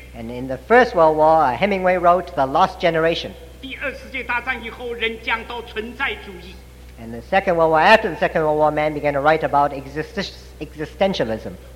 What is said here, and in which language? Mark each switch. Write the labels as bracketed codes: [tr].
[en] And in the First World War, Hemingway wrote the lost generation. [zh] 第二次世界大战以后，人讲到存在主义。 [en] And the Second World War, after the Second World War, man began to write about existentialism.